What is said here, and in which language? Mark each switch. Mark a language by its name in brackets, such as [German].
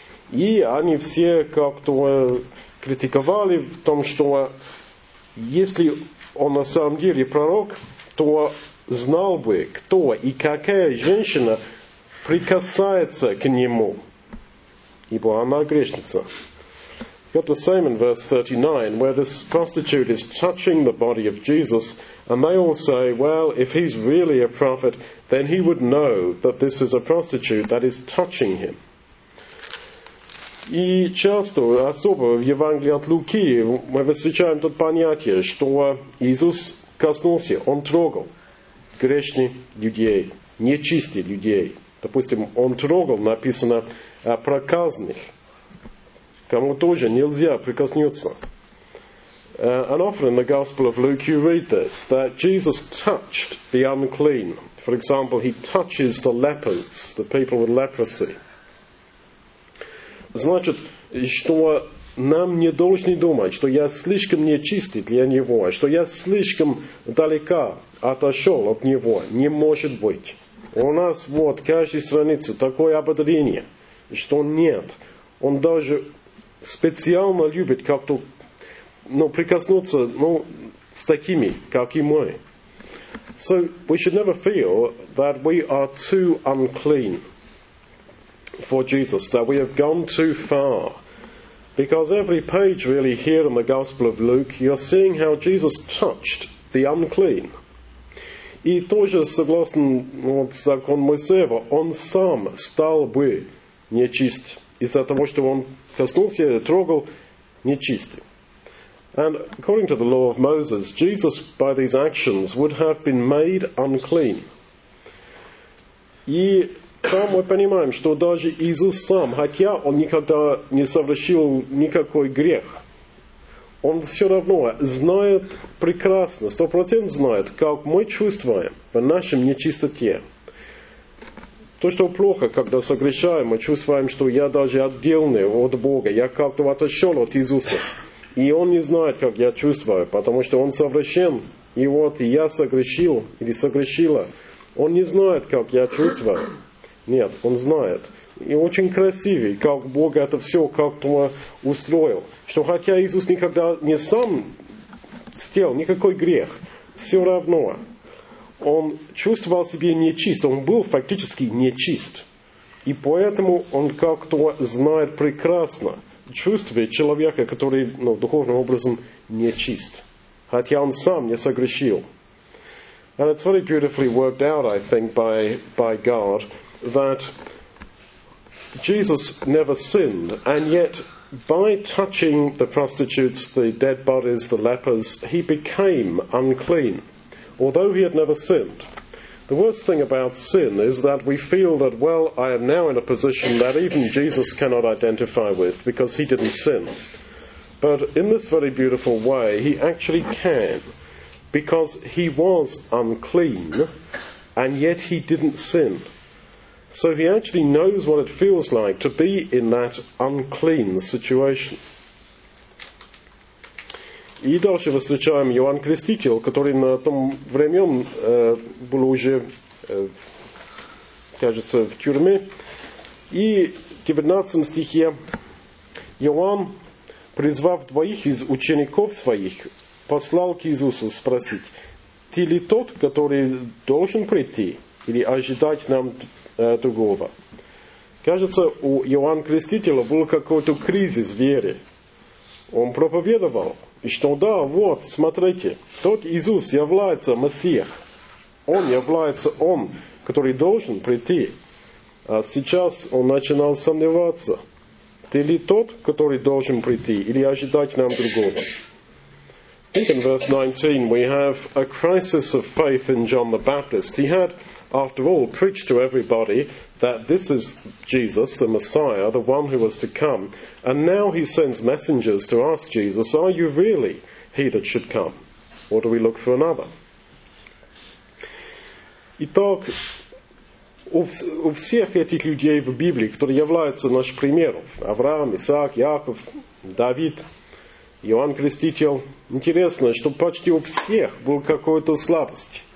[Russian] И они все как-то критиковали в том, что если он на самом деле пророк, то знал бы, кто и какая женщина прикасается к нему, ибо она грешница. [English] Got the same in verse 39, where this prostitute is touching the body of Jesus, and they all say, well, if he's really a prophet, then he would know that this is a prostitute that is touching him. [Russian] И часто, особо в Евангелии от Луки, мы встречаем тут понятие, что Иисус коснулся, он трогал грешных людей, нечистых людей. Допустим, он трогал, написано, проказных. Кому тоже нельзя прикоснуться. [English] And often in the Gospel of Luke you read this, that Jesus touched the unclean. For example, he touches the lepers, the people with leprosy. [Russian] Значит, что нам не должны думать, что я слишком нечистый для него, что я слишком далеко отошел от него. Не может быть. У нас вот каждая страница такое ободрение, что нет. Он даже специально любит как-то, ну, прикоснуться, ну, с такими, как и мы. [English] So we should never feel that we are too unclean for Jesus, that we have gone too far. Because every page really here in the Gospel of Luke, you're seeing how Jesus touched the unclean. [Russian] И тоже согласно закону Моисеева, он сам стал бы нечист из-за того, что он коснулся и трогал нечистый. [English] And according to the law of Moses, Jesus by these actions would have been made unclean. [Russian] И там мы понимаем, что даже Иисус сам, хотя он никогда не совершил никакой грех, он все равно знает прекрасно, 100% знает, как мы чувствуем в нашем нечистоте. То, что плохо, когда согрешаем, мы чувствуем, что я даже отделанный от Бога, я как-то отошел от Иисуса. И он не знает, как я чувствую, потому что он совершен, и вот я согрешил или согрешила. Он не знает, как я чувствую. Нет, он знает. И очень красивый, как Бог это все как-то устроил. Что хотя Иисус никогда не сам сделал никакой грех, все равно он чувствовал себя нечист, он был фактически нечист. И поэтому он как-то знает прекрасно чувствие человека, который, ну, духовным образом нечист. Хотя он сам не согрешил. [English] And it's very beautifully worked out, I think, by God, that Jesus never sinned, and yet by touching the prostitutes, the dead bodies, the lepers, he became unclean, although he had never sinned. The worst thing about sin is that we feel that, well, I am now in a position that even Jesus cannot identify with because he didn't sin. But in this very beautiful way, he actually can, because he was unclean, and yet he didn't sin. So he actually knows what it feels like to be in that unclean situation. [Russian] И дальше встречаем Иоанн Креститель, который на том времен был уже, кажется, в тюрьме. И в 19 стихе Иоанн, призвав двоих из учеников своих, послал к Иисусу спросить, «Ты ли тот, который должен прийти или ожидать нам другого?» Кажется, у Иоанна Крестителя был какой-то кризис веры. Он проповедовал, что да, вот, смотрите, тот Иисус является Мессией. Он является Он, который должен прийти. А сейчас он начинал сомневаться. Ты ли тот, который должен прийти, или ожидать нам другого? [English] I think in verse 19 we have a crisis of faith in John the Baptist. He had, after all, preached to everybody that this is Jesus, the Messiah, the one who was to come. And now he sends messengers to ask Jesus, are you really he that should come? Or do we look for another? [Russian] Итак, у всех этих людей в Библии, которые являются нашим примером, Авраам, Исаак, Яков, Давид, Иоанн Креститель, интересно, что почти у всех был какой-то слабость.